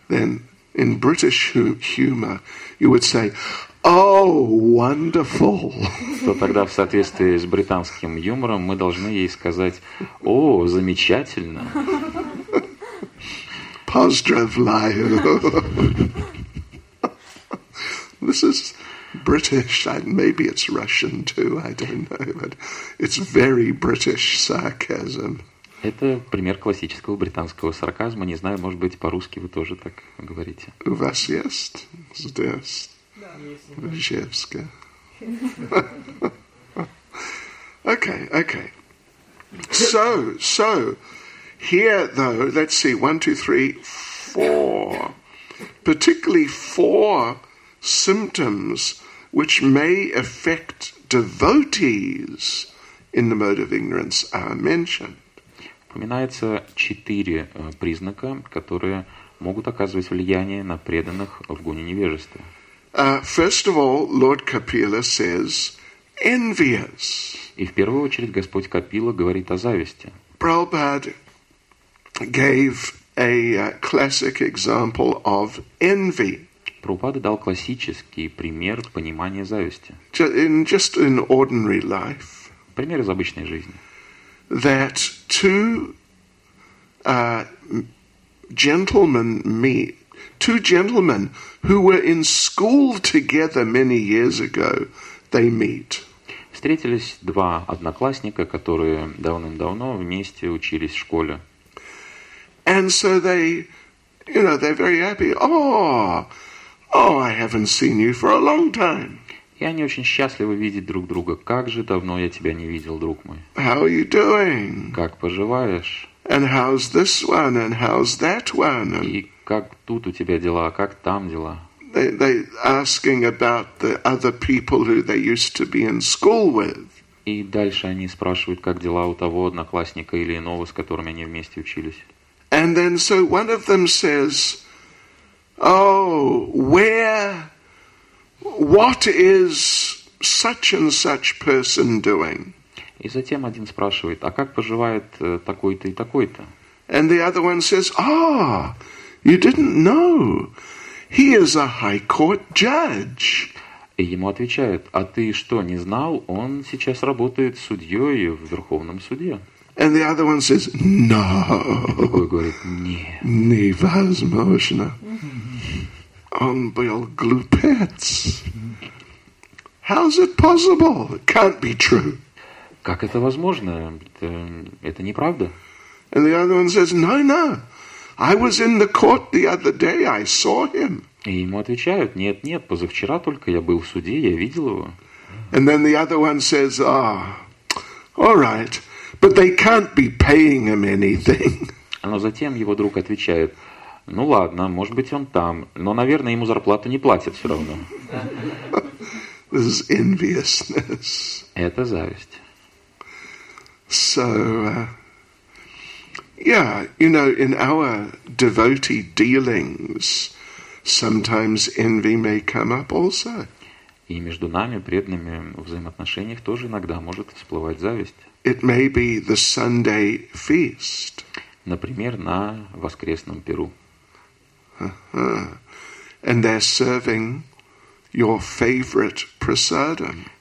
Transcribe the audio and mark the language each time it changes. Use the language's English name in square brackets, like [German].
[English] then in British humor you would say, "Oh, wonderful!" [Russian] То тогда в соответствии с британским юмором мы должны ей сказать, "О, замечательно!" Поздравляю! [English] This is British, and maybe it's Russian too, I don't know, but it's very British sarcasm. [Russian] Это пример классического британского сарказма. Не знаю, может быть, по-русски вы тоже так говорите. У вас есть? Здесь? Да, есть. [English] Okay. So, here though, let's see, 1, 2, 3, 4. Particularly 4 symptoms which may affect devotees in the mode of ignorance are mentioned. [Russian] Упоминается 4 признака, которые могут оказывать влияние на преданных в гуне невежества. [English] First of all, Lord Kapila says envious. [Russian] И в первую очередь Господь Капила говорит о зависти. [English] Prabhupada gave a classic example of envy. [Russian] Прабхупада дал классический пример понимания зависти. [English] Just in ordinary life. [Russian] Пример из обычной жизни. [English] That two gentlemen meet, two gentlemen who were in school together many years ago, they meet. [Russian] Встретились два одноклассника, которые давным-давно вместе учились в школе. [English] And so they, you know, they're very happy. Oh, I haven't seen you for a long time. [Russian] И они очень счастливы видеть друг друга. Как же давно я тебя не видел, друг мой. [English] How are you doing? [Russian] Как поживаешь? [English] And how's this one? And how's that one? [Russian] И как тут у тебя дела? Как там дела? [English] They asking about the other people who they used to be in school with. [Russian] И дальше они спрашивают, как дела у того одноклассника или иного, с которыми они вместе учились. [English] And then so one of them says, oh, where, what is such and such person doing? [Russian] И затем один спрашивает, а как поживает такой-то и такой-то? [English] And the other one says, oh, you didn't know, he is a high court judge. [Russian] И ему отвечают, а ты что, не знал, он сейчас работает судьей в Верховном суде. [English] And the other one says, no. [Russian] Другой говорит, нет. Невозможно. Он был глупец. [English] How's it possible? It can't be true. [Russian] Как это возможно? Это неправда. [English] And the other one says, no, no. I was in the court the other day, I saw him. [Russian] И ему отвечают, нет, нет, позавчера только я был в суде, я видел его. [English] And then the other one says, oh, all right, but they can't be paying him anything. [Russian] Но затем его друг отвечает, ну ладно, может быть он там, но, наверное, ему зарплату не платят все равно. [English] This is enviousness. [Russian] Это зависть. [English] So, yeah, you know, in our devotee dealings, sometimes envy may come up also. [Russian] И между нами, преданными взаимоотношениях, тоже иногда может всплывать зависть. [English] It may be the Sunday feast. [Russian] Например, на воскресном пиру. [English] Uh-huh. And they're serving your favorite prasadam.